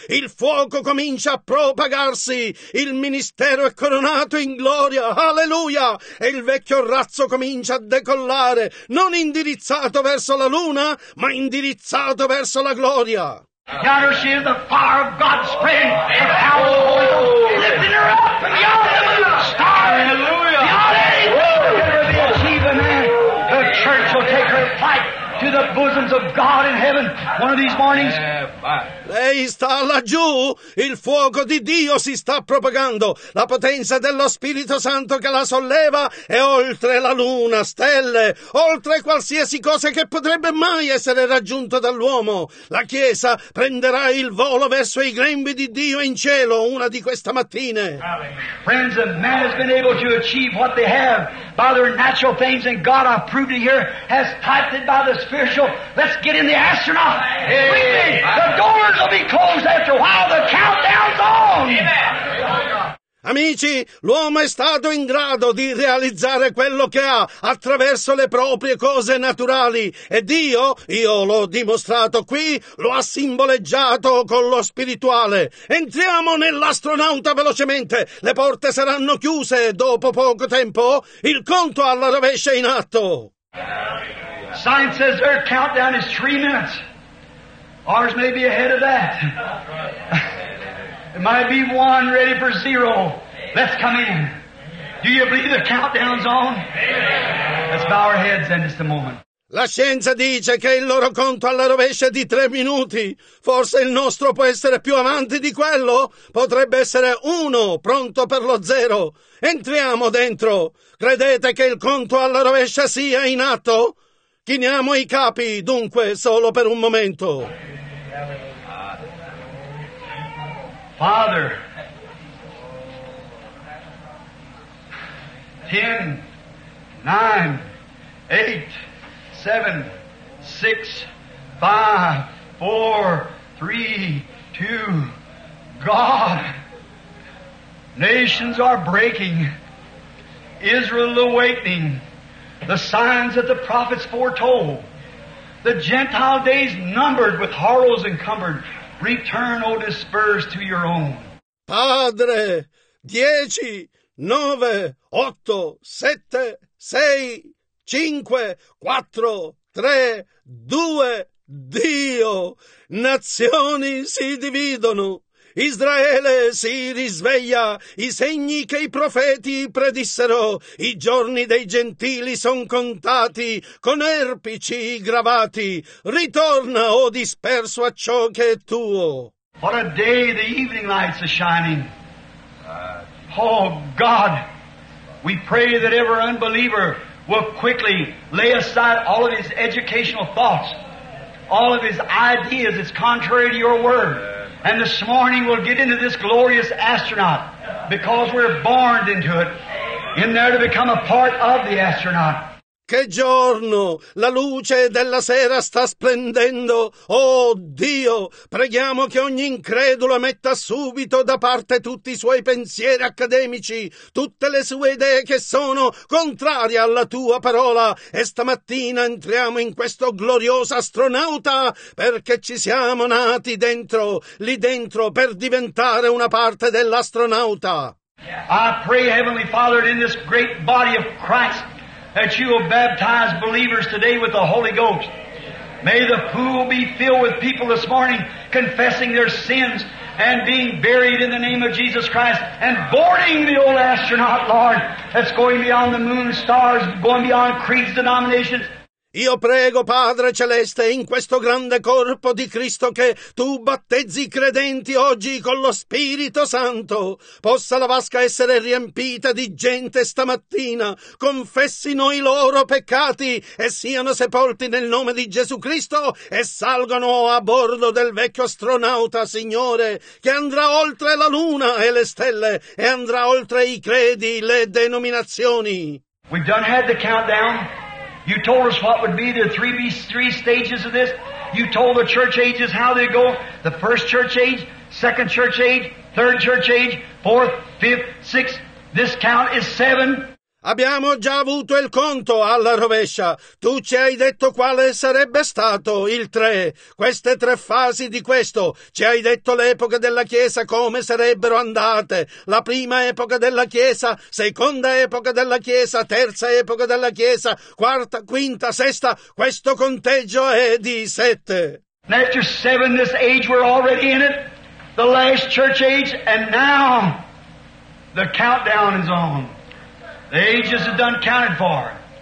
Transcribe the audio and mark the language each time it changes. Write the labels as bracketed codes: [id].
[it] Il fuoco comincia a propagarsi. Il ministero è coronato in gloria. Alleluia. E il vecchio razzo comincia a decollare, non indirizzato verso la luna, ma indirizzato verso la gloria. [en] Yonder she is, the fire of God spreading, the power of the Lord, lifting her up from beyond the moon, stars, hallelujah, beyond anything, let her be achieving, man. The church will take her flight to the bosoms of God in heaven one of these mornings. [it] Lei sta laggiù, il fuoco di Dio si sta propagando, la potenza dello Spirito Santo che la solleva è oltre la luna, stelle, oltre qualsiasi cosa che potrebbe mai essere raggiunto dall'uomo. La Chiesa prenderà il volo verso i grembi di Dio in cielo una di queste mattine. [en] Friends, man has been able to achieve what they have by their natural things, and God, I've proved it here, has typed it by the spiritual. Let's get in the astronaut. Doors will be closed after a while. The countdown's on. [it] Amici, l'uomo è stato in grado di realizzare quello che ha attraverso le proprie cose naturali. E Dio, io l'ho dimostrato qui, lo ha simboleggiato con lo spirituale. Entriamo nell'astronauta velocemente. Le porte saranno chiuse dopo poco tempo. Il conto alla rovescia è in atto. [en] Science says their countdown is 3 minutes. Ours may be ahead of that. It might be 1 ready for 0. Let's come in. Do you believe the countdown's on? Let's bow our heads in just a moment. [it] La scienza dice che il loro conto alla rovescia è di 3 minuti. Forse il nostro può essere più avanti di quello. Potrebbe essere 1, pronto per lo 0. Entriamo dentro. Credete che il conto alla rovescia sia in atto? Chiniamo i capi, dunque, solo per un momento. [en] Father, 10, 9, 8, 7, 6, 5, 4, 3, 2, God, nations are breaking, Israel awakening, the signs that the prophets foretold, the Gentile days numbered with horrors encumbered, return, O dispersed, to your own. [it] Padre, 10, 9, 8, 7, 6, 5, 4, 3, 2, Dio, nazioni si dividono, Israele si risveglia, i segni che i profeti predissero, i giorni dei gentili son contati, con erpici gravati, ritorna, o disperso, a ciò che è tuo. [en] What a day the evening lights are shining. Oh, God, we pray that every unbeliever will quickly lay aside all of his educational thoughts, all of his ideas that's contrary to your word. And this morning we'll get into this glorious astronaut, because we're born into it, in there to become a part of the astronaut. [it] Che giorno, la luce della sera sta splendendo. Oh Dio, preghiamo che ogni incredulo metta subito da parte tutti i suoi pensieri accademici, tutte le sue idee che sono contrarie alla tua parola. E stamattina entriamo in questo glorioso astronauta, perché ci siamo nati dentro, lì dentro, per diventare una parte dell'astronauta. [en] I pray, Heavenly Father, in this great body of Christ, that you will baptize believers today with the Holy Ghost. May the pool be filled with people this morning confessing their sins and being buried in the name of Jesus Christ and boarding the old astronaut, Lord, that's going beyond the moon, stars, going beyond creeds, denominations. [it] Io prego, Padre Celeste, in questo grande corpo di Cristo, che tu battezzi i credenti oggi con lo Spirito Santo. Possa la vasca essere riempita di gente stamattina, confessino i loro peccati e siano sepolti nel nome di Gesù Cristo e salgano a bordo del vecchio astronauta, Signore, che andrà oltre la luna e le stelle e andrà oltre i credi, le denominazioni. [en] We've done had the countdown. You told us what would be the three stages of this. You told the church ages how they go. The first church age, second church age, third church age, fourth, fifth, sixth. This count is seven. [it] Abbiamo già avuto il conto alla rovescia. Tu ci hai detto quale sarebbe stato il tre. Queste tre fasi di questo. Ci hai detto l'epoca della Chiesa come sarebbero andate. La prima epoca della Chiesa, seconda epoca della Chiesa, terza epoca della Chiesa, quarta, quinta, sesta. Questo conteggio è di sette. [en] After seven, this age we're already in it. The last church age, and now the countdown is on. The ages are done counted for.